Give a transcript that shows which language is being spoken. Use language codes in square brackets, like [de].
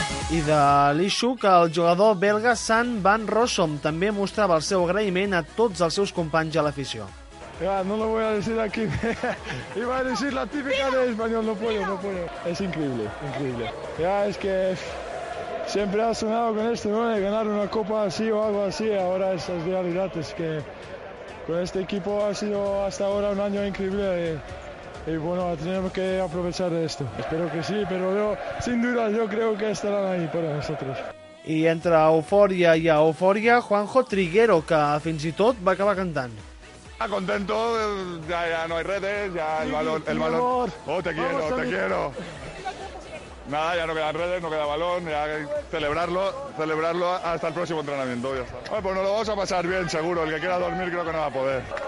[ca] I de l'Ixuc, el jugador belga Sant Van Rossum també mostrava el seu agraïment a tots els seus companys a l'afició. [es] Ja, no lo voy a decir aquí. Iba a decir la típica de español, no puedo. Es increíble, increíble. Ya, es que siempre ha soñado con esto, ¿no? De ganar una copa así o algo así, ahora es realidad. Es que con este equipo ha sido hasta ahora un año increíble y bueno, tenemos que aprovechar de esto. Espero que sí, pero yo, sin duda, yo creo que estarán ahí para nosotros. [ca] I entre eufòria i eufòria, Juanjo Triguero, que fins i tot va acabar cantant. [es] Ah, contento, ya no hay redes, ya el balón, Oh, te quiero, vamos, te quiero. Nada, ya no quedan redes, no queda balón, ya hay que celebrarlo hasta el próximo entrenamiento, ya está. Oye, pues nos lo vamos a pasar bien, seguro, el que quiera dormir creo que no va a poder.